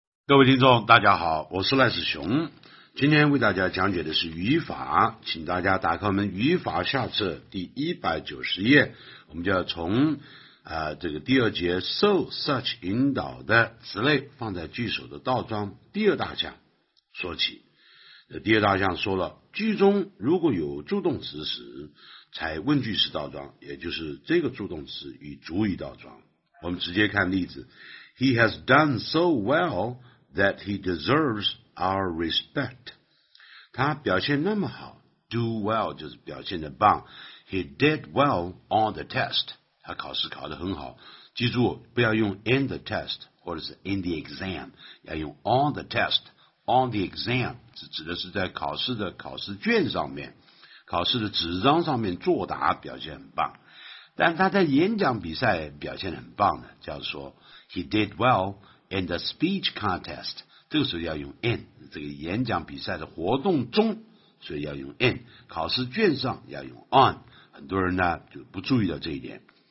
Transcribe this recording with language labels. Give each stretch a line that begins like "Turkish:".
Chinese: 各位听众大家好，我是赖世雄，今天为大家讲解的是语法，请大家打开我们语法下册第190页，我们就要从这个第二节 so such 引导的词类放在句首的倒装第二大项说起。第二大项说了，句中如果有助动词时采问句式倒装，也就是这个助动词与主语倒装。我们直接看例子，
English: He has done so wellThat he deserves our respect.
Chinese: 他表现那么好， do well 就是表现得棒。
English: He did well on the test.
Chinese: 他考试考得很好。记住，不要用
English: in the test
Chinese: 或者是
English: in the exam，
Chinese: 要用
English: on the test。 On the exam
Chinese: 指的是在考试的考试卷上面，考试的纸张上面作答表现很棒。但他在演讲比赛表现很棒的，叫说
English: he did well. In the speech contest,
Chinese: 这个时候要用 in, 这个演讲比赛的活动中，所以要用 in, 考试卷上要用 on, 很多人呢就不注意到这一点。